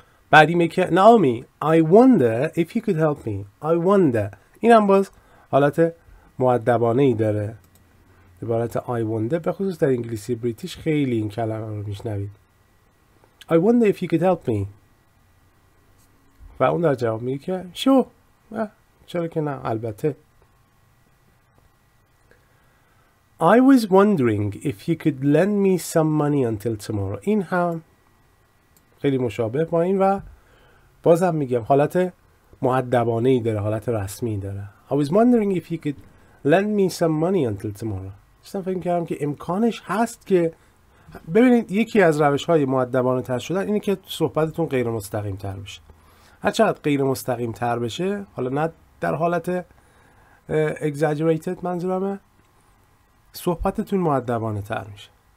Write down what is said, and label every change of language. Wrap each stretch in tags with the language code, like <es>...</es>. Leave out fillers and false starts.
<fa>بعدی میگه</fa> <en>Naomi I wonder if you could help me، I wonder،</en> <fa>اینم باز حالت مؤدبانه ای داره، عبارت I wonder به خصوص در انگلیسی بریتیش خیلی این کلمه رو میشنوید.</fa> <en>I wonder if you could help me.</en> <fa>و اون در جواب میگه که sure، چرا که نه، البته.</fa> <en>I was wondering if you could lend me some money until tomorrow.</en> <fa>این هم خیلی مشابه با این و بازم میگم حالت مؤدبانه ای داره، حالت رسمی داره.</fa> <en>I was wondering if you could lend me some money until tomorrow.</en> <fa>چون فکر کردم که امکانش هست که، ببینید یکی از روش های مؤدبانه تر شدن اینه که صحبتتون غیر مستقیم تر بشه. هر چقدر غیر مستقیم تر بشه، حالا نه در حالت exaggerated منظورمه، صحبتتون مؤدبانه تر میشه.</fa>